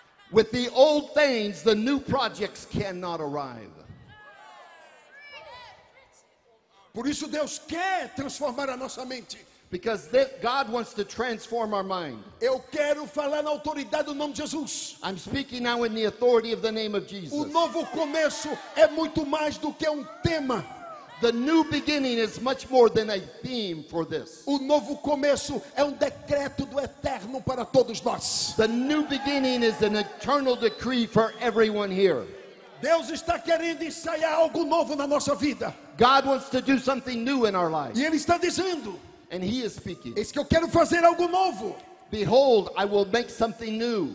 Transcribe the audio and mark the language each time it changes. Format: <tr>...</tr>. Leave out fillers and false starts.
<en>With the old things, the new projects cannot arrive.</en> <pt>Por isso Deus quer transformar a nossa mente.</pt> <en>Because this, God wants to transform our mind.</en> <pt>Eu quero falar na autoridade do nome de Jesus.</pt> <en>I'm speaking now in the authority of the name of Jesus.</en> <pt>O novo começo é muito mais do que tema.</pt> <en>The new beginning is much more than a theme for this.</en> <pt>O novo começo é decreto do eterno para todos nós.</pt> <en>The new beginning is an eternal decree for everyone here.</en> <pt>Deus está querendo ensaiar algo novo na nossa vida.</pt> <en>God wants to do something new in our life.</en> <pt>E ele está dizendo.</pt> <en>And he is speaking.</en> <pt>Eis que eu quero fazer algo novo.</pt> <en>Behold, I will make something new.</en>